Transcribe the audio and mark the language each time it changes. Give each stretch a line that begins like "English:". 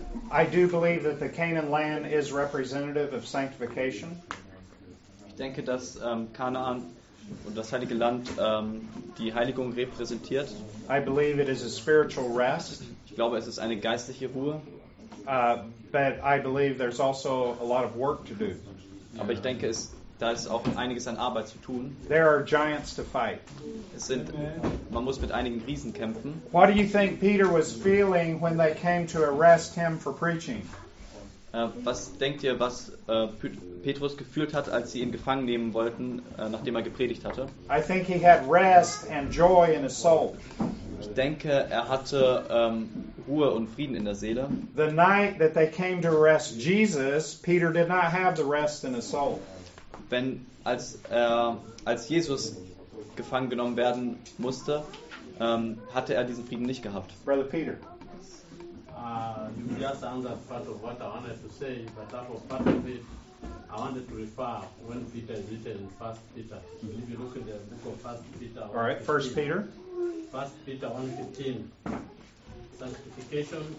English: I do believe that the Canaan land is representative of sanctification.
German: Ich denke, dass Kanaan und das heilige Land die Heiligung repräsentiert.
English: I believe it is a spiritual rest.
German: Ich glaube, es ist eine geistliche Ruhe.
English: But I believe there's also a lot of work to do.
German: Aber ich denke, da ist auch einiges an Arbeit zu tun.
English: There are giants to fight.
German: Man muss mit einigen Riesen kämpfen.
English: What do you think Peter was feeling when they came to arrest him for preaching?
German: Was denkt ihr, was Petrus gefühlt hat, als sie ihn gefangen nehmen wollten, nachdem er gepredigt hatte?
English: I think he had rest and joy in his soul.
German: Ich denke, er hatte Ruhe und Frieden in der Seele.
English: The night that they came to arrest Jesus, Peter did not have the rest in his soul.
German: Wenn als Jesus gefangen genommen werden musste, hatte er diesen Frieden nicht gehabt.
English: Brother Peter. You just answered part of what I wanted to say, but that was part of it. I wanted to refer when Peter is written in 1 Peter. If you look at the book of 1 Peter. All right, 1 Peter. 1 Peter 1:15. Sanctification.